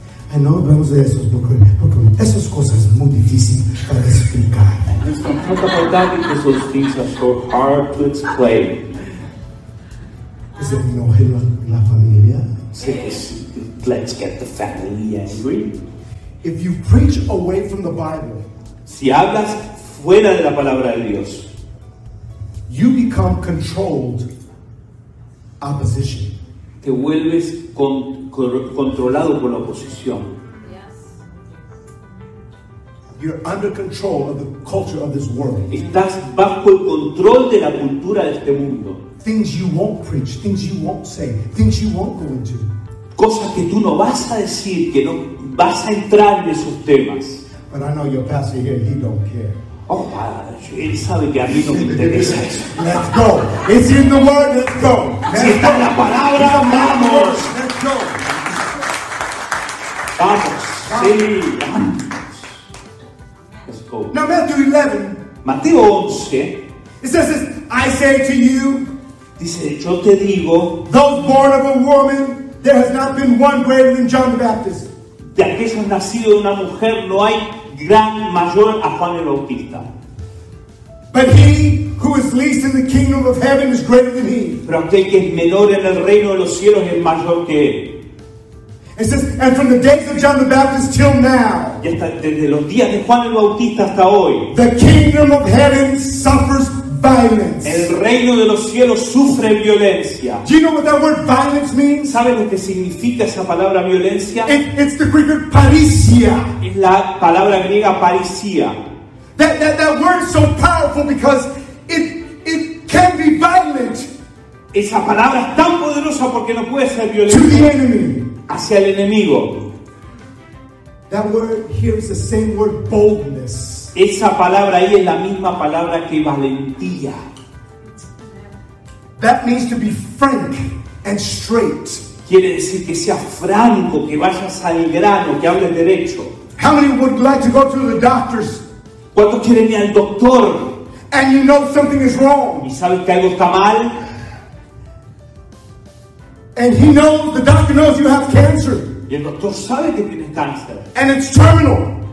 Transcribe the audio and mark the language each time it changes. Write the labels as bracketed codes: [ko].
[es] Ay, no hablamos de eso, porque esas cosas son muy difíciles para explicar. [en] Don't talk about that because those things are so hard to explain. [es] ¿Se enoja la familia? [en] Let's get the family angry. If you preach away from the Bible, [es] si hablas fuera de la palabra de Dios, [en] you become controlled opposition. [es] Te vuelves controlado por la oposición. [en] Yes. You're under control of the culture of this world. [es] Estás bajo el control de la cultura de este mundo. [en] Things you won't preach, things you won't say, things you won't go into. [es] Cosas que tú no vas a decir, que no vas a entrar en esos temas. [en] But I know your pastor here, he don't care. [es] Oh, padre, él sabe que a mí no me interesa eso. [en] Let's go. It's in the word, let's go. [es] Si está en la palabra, vamos. [en] Let's go. [es] Vamos. Sí. Vamos. [en] Let's go. Now Matthew 11. [es] Mateo 11. [en] It says, I say to you. [es] Dice, yo te digo. [en] Those born of a woman, there has not been one greater than John the Baptist. [es] De aquellos nacidos de una mujer, no hay gran mayor a Juan el Bautista. [en] But he who is least in the kingdom of heaven is greater than he. [es] Pero aquel que es menor en el reino de los cielos es mayor que él. [en] It says, and from the days of John the Baptist till now. [es] Y hasta desde los días de Juan el Bautista hasta hoy. [en] The kingdom of heaven suffers violence. [es] El reino de los cielos sufre violencia. [en] Do you know what that word violence means? [es] ¿Sabes lo que significa esa palabra violencia? [en] It's the Greek word parisia. [es] Es la palabra griega parisia. [en] That word is so powerful because it can be violent. [es] Esa palabra es tan poderosa porque no puede ser violenta. [en] To the enemy. [es] Hacia el enemigo. [en] That word here is the same word boldness. [es] Esa palabra ahí es la misma palabra que valentía. [en] That means to be frank and straight. [es] Quiere decir que seas franco, que vayas al grano, que hables derecho. [en] How many would like to go to the doctors? [es] ¿Cuántos quieren ir al doctor? [en] And you know something is wrong. [es] ¿Y sabes que algo está mal? [en] And he knows, the doctor knows you have cancer. [es] Y el doctor sabe que tienes cáncer. [en] And it's terminal.